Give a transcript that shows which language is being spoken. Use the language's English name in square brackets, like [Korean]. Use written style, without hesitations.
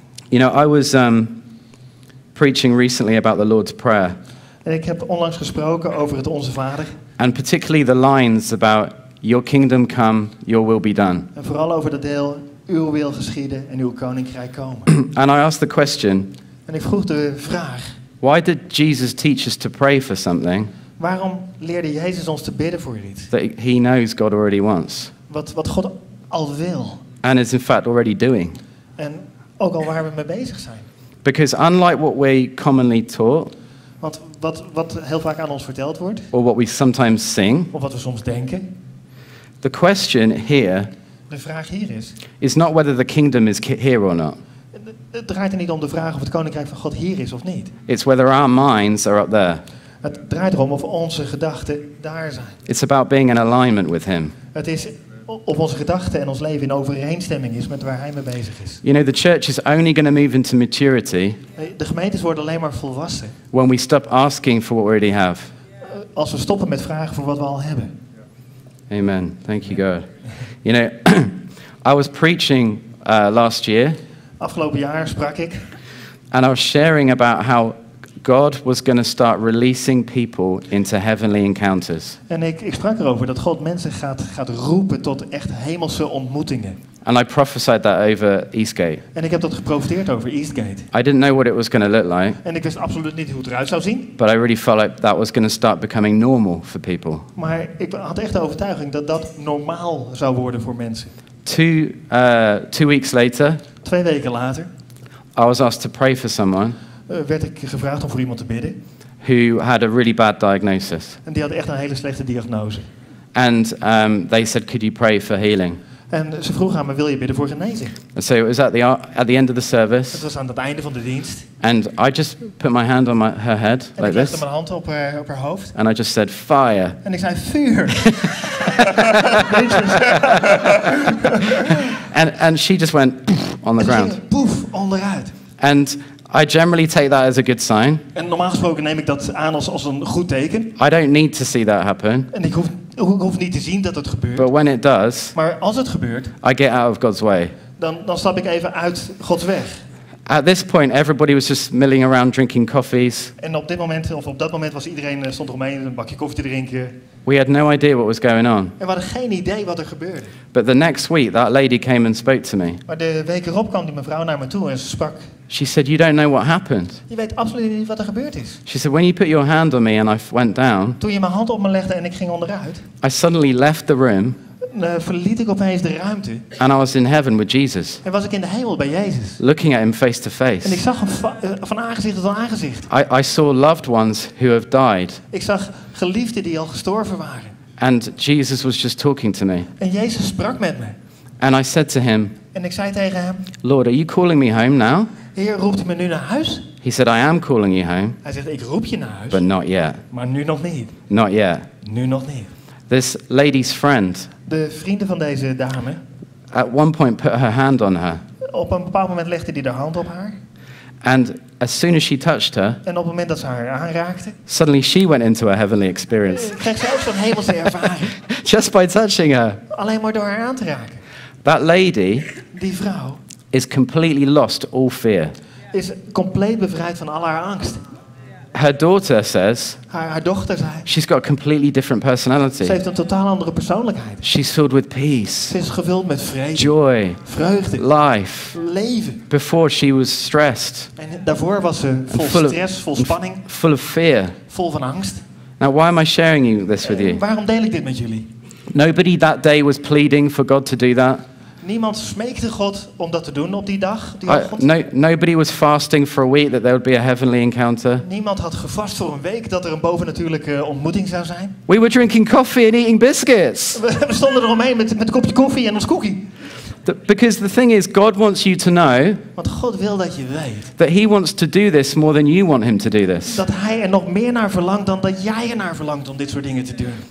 [English] You know, I was preaching recently about the Lord's Prayer. [Dutch] En ik heb onlangs gesproken over het Onze Vader. [English] And particularly the lines about your kingdom come, your will be done. [Dutch] En vooral over dat deel, uw wil geschieden en uw koninkrijk komen. [English] And I asked the question. [Dutch] En ik vroeg de vraag. [English] Why did Jesus teach us to pray for something? [Dutch] Waarom leerde Jezus ons te bidden voor iets? [English] That he knows God already wants. [Dutch] Wat God al wil. [English] And is in fact already doing. [Dutch] En ook al waar we mee bezig zijn. [English] Because unlike what we commonly taught. [Dutch] Want wat heel vaak aan ons verteld wordt. [English] Or what we sometimes sing. [Dutch] Of wat we soms denken. [English] The question here. [Dutch] De vraag hier is. [English] Is not whether the kingdom is here or not. [Dutch] Het draait er niet om de vraag of het koninkrijk van God hier is of niet. [English] It's whether our minds are up there. [Dutch] Het draait erom of onze gedachten daar zijn. [English] It's about being in alignment with him. [Dutch] Het is of onze gedachten en ons leven in overeenstemming is met waar hij mee bezig is. [English] You know, the church is only going to move into maturity. [Dutch] De gemeentes worden alleen maar volwassen. [English] When we stop asking for what we already have. [Dutch] Als we stoppen met vragen voor wat we al hebben. [English] Amen. Thank you, God. You know, I was preaching last year. [Dutch] Afgelopen jaar sprak ik. [English] And I was sharing about how God was going to start releasing people into heavenly encounters. [Dutch] En ik sprak erover dat God mensen gaat roepen tot echt hemelse ontmoetingen. [English] And I prophesied that over Eastgate. [Dutch] En ik heb dat geprofeteerd over Eastgate. [English] I didn't know what it was going to look like. [Dutch] En ik wist absoluut niet hoe het eruit zou zien. [English] But I really felt like that was going to start becoming normal for people. [Dutch] Maar ik had echt de overtuiging dat dat normaal zou worden voor mensen. [English] Two weeks later. [Dutch] 2 weken later. [English] I was asked to pray for someone. [Dutch] Werd ik gevraagd om voor iemand te bidden. [English] Who had a really bad diagnosis. [Dutch] En die had echt een hele slechte diagnose. [English] And they said, could you pray for healing? [Dutch] En ze vroegen aan me, wil je bidden voor genezing? [English] And so it was at the end of the service. [Dutch] Het was aan het einde van de dienst. [English] And I just put my hand on her head, [Dutch] en [English] like this. [Dutch] Ik legde mijn hand op haar hoofd. [English] And I just said, fire. [Dutch] En ik zei, vuur. [English] And she just went, poof, on the ground. [Dutch] En ze ging, poef, onderuit. [English] And I generally take that as a good sign. [Dutch] En normaal gesproken neem ik dat aan als een goed teken. [English] I don't need to see that happen. [Dutch] En ik hoef niet te zien dat het gebeurt. [English] But when it does, [Dutch] maar als het gebeurt, [English] I get out of God's way. [Dutch] Dan stap ik even uit Gods weg. [English] At this point, everybody was just milling around drinking coffees. [Dutch] En op dit moment, of op dat moment, was iedereen stond eromheen een bakje koffie te drinken. [English] We had no idea what was going on. [Dutch] En we hadden geen idee wat er gebeurde. [English] But the next week, that lady came and spoke to me. [Dutch] Maar de week erop kwam die mevrouw naar me toe en ze sprak. [English] She said, "You don't know what happened." [Dutch] Je weet absoluut niet wat er gebeurd is. [English] She said, "When you put your hand on me and I went down." [Dutch] Toen je mijn hand op me legde en ik ging onderuit. [English] I suddenly left the room. [Dutch] Verliet ik opeens de ruimte. [English] And I was in heaven with Jesus. [Dutch] En was ik in de hemel bij Jezus. [English] Looking at him face to face. [Dutch] En ik zag hem van aangezicht tot aangezicht. [English] I saw loved ones who have died. [Dutch] Ik zag geliefden die al gestorven waren. [English] And Jesus was just talking to me. [Dutch] En Jezus sprak met me. [English] And I said to him. [Dutch] En ik zei tegen hem. [English] Lord, are you calling me home now? [Dutch] Heer, roept u me nu naar huis? [English] He said, I am calling you home. [Dutch] Hij zegt, ik roep je naar huis. [English] But not yet. [Dutch] Maar nu nog niet. [English] Not yet. [Dutch] Nu nog niet. [English] This lady's friend. [Dutch] De vrienden van deze dame. [English] At one point put her hand on her. [Dutch] Op een bepaald moment legde die de hand op haar. [English] And as soon as she touched her. [Dutch] En op het moment dat ze haar aanraakte. [English] Suddenly she went into a heavenly experience. [Dutch] Kreeg ze ook zo'n hemelse ervaring. [English] Just by touching her. [Dutch] Alleen maar door haar aan te raken. [English] That lady. [Dutch] Die vrouw. [English] Is completely lost all fear. [Dutch] Is compleet bevrijd van al haar angst. [English] Her daughter says. [Dutch] Haar dochter zei. [English] She's got a completely different personality. [Dutch] Ze heeft een totaal andere persoonlijkheid. [English] She's filled with peace. [Dutch] Ze is gevuld met vrede. [English] Joy. [Dutch] Vreugde. [English] Life. [Dutch] Leven. [English] Before she was stressed. [Dutch] En daarvoor was ze vol stress, vol spanning. [English] Full of fear. [Dutch] Vol van angst. [English] Now why am I sharing this with you? [Dutch] Waarom deel ik dit met jullie? [English] Nobody that day was pleading for God to do that. [Dutch] Niemand smeekte God om dat te doen op die dag. [English] Nobody was fasting for a week that there would be a heavenly encounter. [Dutch] Niemand had gevast voor een week dat er een bovennatuurlijke ontmoeting zou zijn. [English] We were drinking coffee and eating biscuits. [Dutch] We stonden eromheen met een kopje koffie en ons cookie. [English] Because the thing is, God wants you to know. [Dutch] Want God wil dat je weet. [English] That He wants to do this more than you want Him to do this. [Dutch] Dat Hij er nog meer naar verlangt dan dat jij er naar verlangt om dit soort dingen te doen.